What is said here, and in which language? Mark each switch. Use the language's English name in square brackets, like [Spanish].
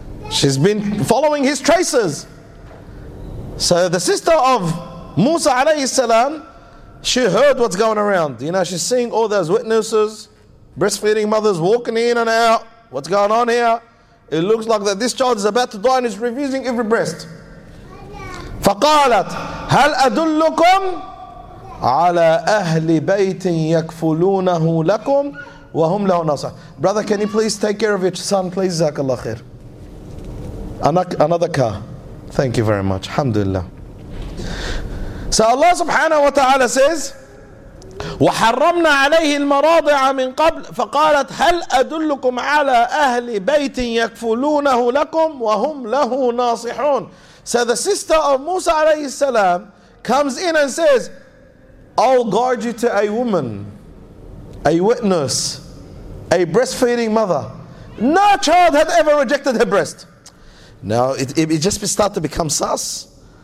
[English] She's been following his traces. So the sister of Musa alayhi salam, she heard what's going around. You know, she's seeing all those witnesses, breastfeeding mothers walking in and out. What's going on here? It looks like that this child is about to die and is refusing every breast. [Arabic] فقالت هل أدلكم على أهل بيت يكفلونه لكم وهم له ناصح. [English] Brother, can you please take care of your son, please? Jazakallah khair. Another car. Thank you very much. Alhamdulillah. So Allah subhanahu wa ta'ala says, [Arabic] وَحَرَّمْنَا عَلَيْهِ الْمَرَاضِعَ مِنْ قَبْلِ فَقَالَتْ هَلْ أَدُلُّكُمْ عَلَىٰ أَهْلِ بَيْتٍ يَكْفُلُونَهُ لَكُمْ وَهُمْ لَهُ نَاصِحُونَ. [English] So the sister of Musa alayhi salam comes in and says, I'll guard you to a woman, a witness, a breastfeeding mother. No child had ever rejected her breast. Now it just start to become sus.